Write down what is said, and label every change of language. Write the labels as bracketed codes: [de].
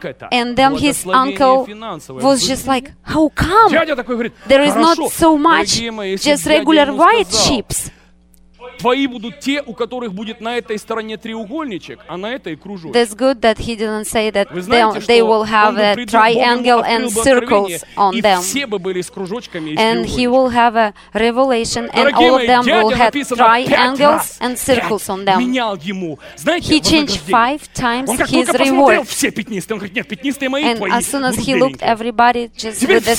[en] And then his uncle was just like, how come? There is not so much, just regular white sheep. [ru] Твои будут те, у которых будет на этой стороне треугольничек, а на этой кружочек. [en] That's good that he didn't say that they will have a triangle and circles on them. [ru] И все бы были с кружочками. [en] And he will have a revelation and all of them will have triangles and circles on them. [ru] Менял ему. Знаете, [en] he changed five times his reward. [ru] Он как только посмотрел все пятнистые, он говорит, нет, пятнистые мои, твои. [en] And as soon as he looked, everybody just with the stains.